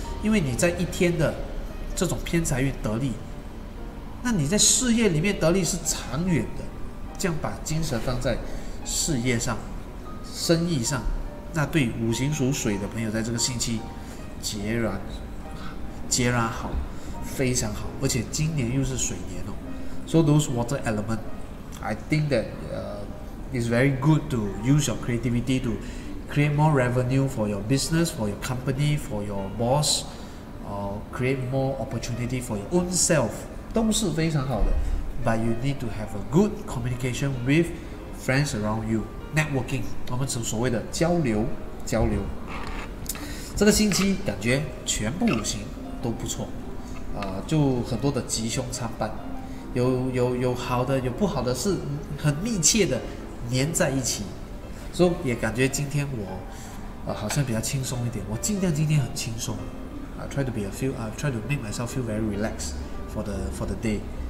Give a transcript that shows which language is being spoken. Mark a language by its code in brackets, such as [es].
[zh] 因为你在一天的这种偏财运得利，那你在事业里面得利是长远的，这样把精神放在事业上、生意上，那对五行属水的朋友在这个星期截然好，非常好。而且今年又是水年哦， [en] so those water element, I think that is very good to use your creativity to create more revenue for your business, for your company, for your bossCreate more opportunity for your own self, [zh] 都是非常好的。 [en] But you need to have a good communication with friends around you, networking, [zh] 我们所谓的交流。这个星期感觉全部五行都不错，就很多的吉凶参半，有好的，有不好的，是很密切的粘在一起。所以也感觉今天我好像比较轻松一点，我尽量今天很轻松。 [en] Try to make myself feel very relaxed for the day.